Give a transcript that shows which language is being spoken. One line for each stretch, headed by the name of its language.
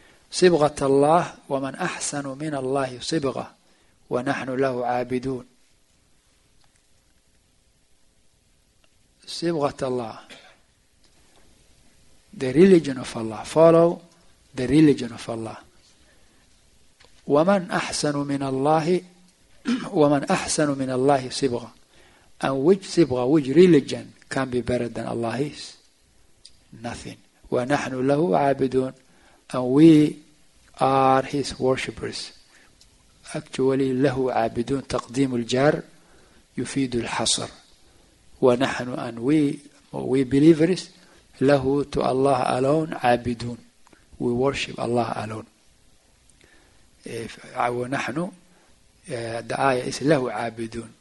Arabic: صبغة الله، ومن أحسن من الله صبغة ونحن له عابدون. صبغة الله،
English: the religion of Allah, follow the religion of Allah.
Arabic: ومن أحسن من الله، ومن أحسن من الله صبغة.
English: And which صبغة, which religion can be better than Allah is? Nothing.
Arabic: ونحن له عابدون.
English: And we are his worshippers. Actually,
Arabic: له عابدون تقديم الجار يفيد الحصر. ونحن
English: and we believers
Arabic: له
English: to Allah alone
Arabic: عابدون.
English: We worship Allah alone.
Arabic: ونحن
English: the ayah is
Arabic: له عابدون.